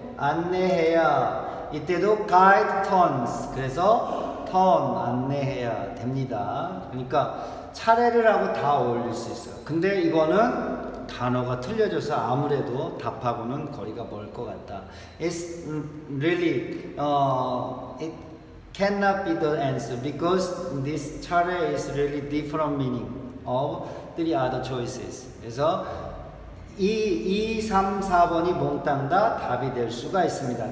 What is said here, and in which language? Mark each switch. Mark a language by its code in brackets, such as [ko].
[ko] 안내해야. 이때도 [en] guide turns. [ko] 그래서 turn, 안내해야 됩니다. 그러니까 차례를 하고 다 어울릴 수 있어요. 근데 이거는 단어가 틀려져서 아무래도 답하고는 거리가 멀 것 같다. [en] It's really, it cannot be the answer because this 차례 is really different meaning of three other choices. [ko] 그래서 2, 3, 4번이 몽땅 다 답이 될 수가 있습니다.